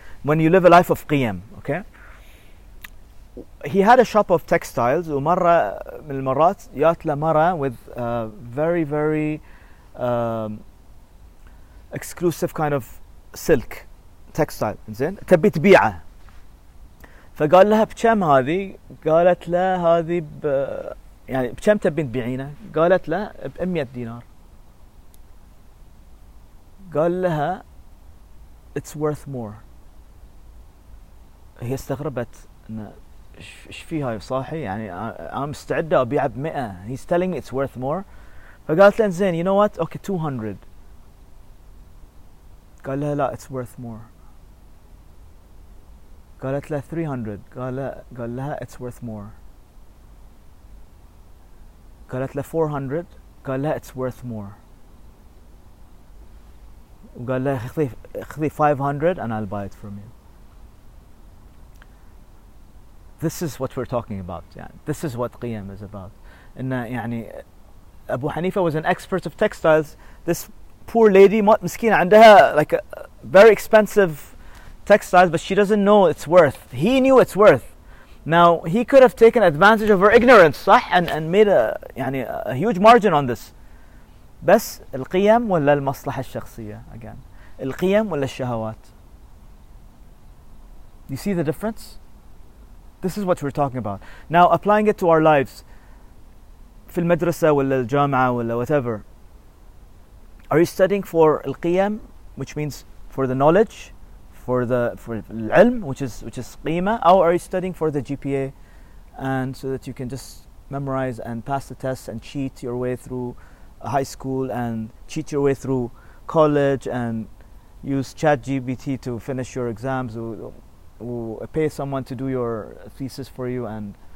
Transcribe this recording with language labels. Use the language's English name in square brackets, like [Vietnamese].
[English] When you live a life of qiyam, okay? He had a shop of textiles, [Arabic] ومرة من المرات جات له مرة [English] with a very, very exclusive kind of silk textile, [Arabic] زين؟ تبي تبيعه. فقال لها بكم هذه؟ قالت له هذه ب يعني بكم تبين تبيعينه؟ قالت له ب 100 دينار. قال لها [English] it's worth more. [Arabic] هي استغربت إن إيش فيها صاحي, يعني [English] I'm [Arabic] مستعدة أبيع بمئة. [English] He's telling it's worth more. [Arabic] فقالت له زين, [English] you know what, okay 200. [Arabic] قال لها لا [English] it's worth more. [Arabic] قالت له 300. قال لها [English] it's worth more. [Arabic] قالت له 400. قال لها [English] it's worth more. [Arabic] وقال له خذي [English] 500 and I'll buy it from you. This is what we're talking about. يعني. This is what قيم is about. [Arabic] إن يعني أبو حنيفة [English] was an expert of textiles. This poor lady, [Arabic] مسكينة, عندها [English] like a very expensive textiles, but she doesn't know its worth. He knew its worth. Now he could have taken advantage of her ignorance, [Arabic] صح, [English] and made a [Arabic] يعني [English] a huge margin on this. [Arabic] بس القيم ولا المصلحة الشخصية again. القيم ولا الشهوات. [English] You see the difference? This is what we're talking about. Now applying it to our lives. [Arabic] في المدرسة ولا الجامعة ولا [English] whatever. Are you studying for [Arabic] القيم, [English] which means for the knowledge, for [Arabic] العلم, [English] which is قيمة, or are you studying for the GPA, and so that you can just memorize and pass the test and cheat your way through high school and cheat your way through college and use ChatGPT to finish your exams or pay someone to do your thesis for you and